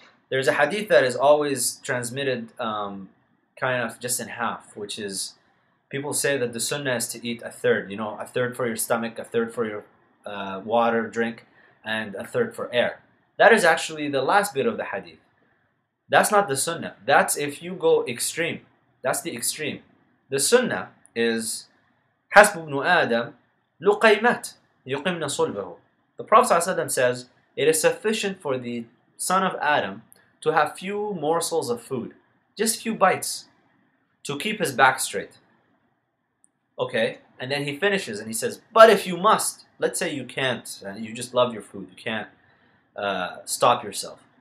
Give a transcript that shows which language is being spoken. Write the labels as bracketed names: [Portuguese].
[English] There's a hadith that is always transmitted kind of just in half, which is people say that the sunnah is to eat a third, you know, a third for your stomach, a third for your water, drink, and a third for air. That is actually the last bit of the hadith. That's not the sunnah. That's if you go extreme. That's the extreme. [Arabic] The sunnah is حَسْبُ بْنُ آدَمْ لُقَيْمَتْ يُقِمْنَ صُلْبَهُ. [English] The Prophet ﷺ says, it is sufficient for the son of Adam to have few morsels of food, just few bites, to keep his back straight. Okay, and then he finishes and he says, but if you must, let's say you can't, and you just love your food, you can't stop yourself.